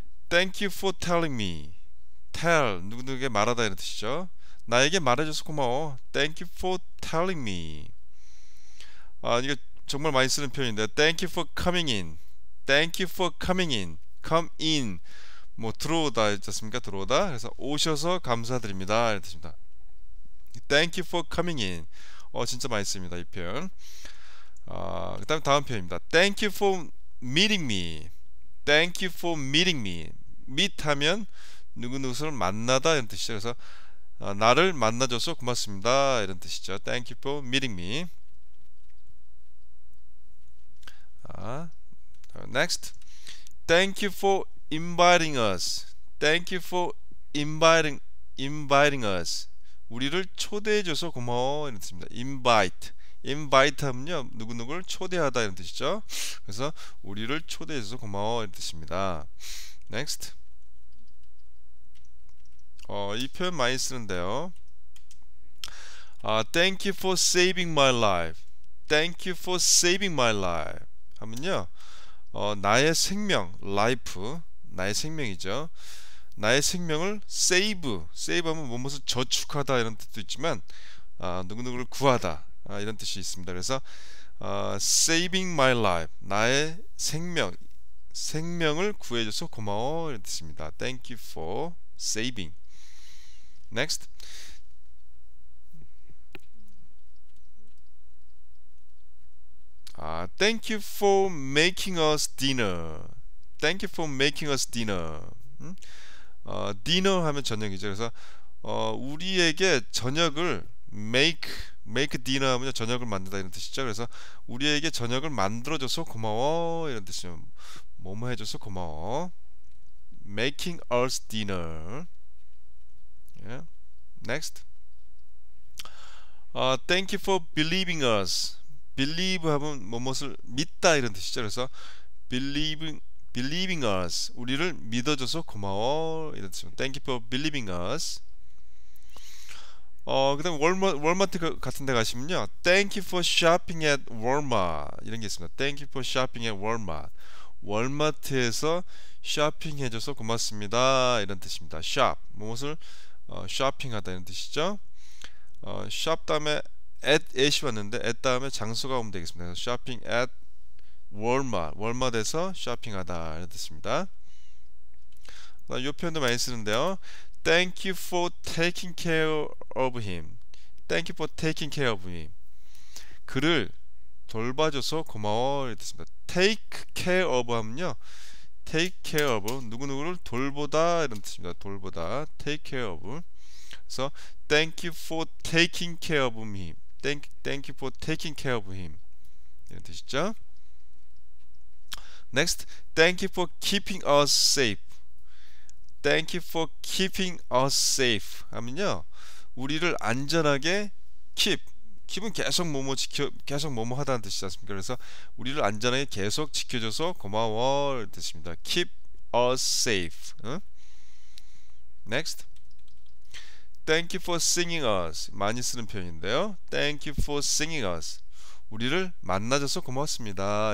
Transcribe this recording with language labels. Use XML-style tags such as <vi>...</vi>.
<en>Thank you for telling me.</en> <ko>Tell, 누구에게 말하다 이런 뜻이죠. 나에게 말해줘서 고마워.</ko> <en>Thank you for telling me.</en> <ko>아, 이거 정말 많이 쓰는 표현인데,</ko> <en>Thank you for coming in. Thank you for coming in. Come in.</en> <ko>뭐 들어오다 했잖습니까? 들어오다. 그래서 오셔서 감사드립니다 이런 뜻입니다.</ko> <en>Thank you for coming in.</en> <ko>진짜 많이 씁니다 이 표현. 그다음 다음 표현입니다.</ko> <en>Thank you for meeting me. Thank you for meeting me.</en> <ko>meet 하면 누구누구를 만나다 이런 뜻이죠. 그래서 나를 만나줘서 고맙습니다 이런 뜻이죠.</ko> <en>Thank you for meeting me. next. Thank you for inviting us. Thank you for inviting us.</en> <ko>우리를 초대해줘서 고마워 이런 뜻입니다. Invite 하면요, 누구누구를 초대하다 이런 뜻이죠. 그래서 우리를 초대해줘서 고마워 이런 뜻입니다.</ko> <en>Next.</en> <ko>이 표현 많이 쓰는데요.</ko> <en>Thank you for saving my life. Thank you for saving my life.</en> <ko>하면요, 나의 생명, life, 나의 생명이죠. 나의 생명을 save 하면 무엇을 저축하다 이런 뜻도 있지만, 누구누구를 구하다 이런 뜻이 있습니다. 그래서</ko> <en>saving my life,</en> <ko>나의 생명을 구해줘서 고마워 이런 뜻입니다.</ko> <en>Thank you for saving. Next. 'Thank you for making us dinner.' 'Thank you for making us dinner.'</en> <ko>'dinner' 하면 저녁이죠. 그래서 우리에게 저녁을 make dinner 하면 저녁을 만든다 이런 뜻이죠. 그래서 우리에게 저녁을 만들어줘서 고마워 이런 뜻이죠. 뭐뭐 해줘서 고마워.</ko> <en>Making us dinner. Yeah. Next. Thank you for believing us.</en> <ko>Believe 하면 무엇을 믿다 이런 뜻이죠. 그래서</ko> <en>believing us,</en> <ko>우리를 믿어줘서 고마워 이런 뜻입니다.</ko> <en>Thank you for believing us.</en> <ko>그다음 월마트 같은 데 가시면요,</ko> <en>Thank you for shopping at Walmart</en> <ko>이런 게 있습니다.</ko> <en>Thank you for shopping at Walmart.</en> <ko>월마트에서 쇼핑해줘서 고맙습니다 이런 뜻입니다. Shop 무엇을 쇼핑하다 이런 뜻이죠. shop 다음에 at이 왔는데 at 다음에 장소가 오면 되겠습니다. 그래서 쇼핑 at 월마트에서 쇼핑하다 이런 뜻입니다. 이 표현도 많이 쓰는데요.</ko> <en>Thank you for taking care of him. Thank you for taking care of him.</en> <ko>그를 돌봐줘서 고마워 이런 뜻입니다. Take care of 하면요, take care of 누구누구를 돌보다 이런 뜻입니다. 돌보다,</ko> <en>take care of.</en> <ko>그래서</ko> <en>thank you for taking care of me. Thank you for taking care of him.</en> <ko>이런 뜻이죠.</ko> <en>Next, thank you for keeping us safe. Thank you for keeping us safe.</en> <ko>하면요, 우리를 안전하게 keep은 계속 뭐뭐 지켜, 계속 뭐뭐 하다는 뜻이지 않습니까? 그래서 우리를 안전하게 계속 지켜줘서 고마워 이런 뜻입니다.</ko> <en>Keep us safe. 응? Next. Thank you for singing us.</en> <ko>많이 쓰는 표현인데요.</ko> <en>Thank you for singing us.</en> <ko>우리를 만나줘서 고맙습니다.</ko>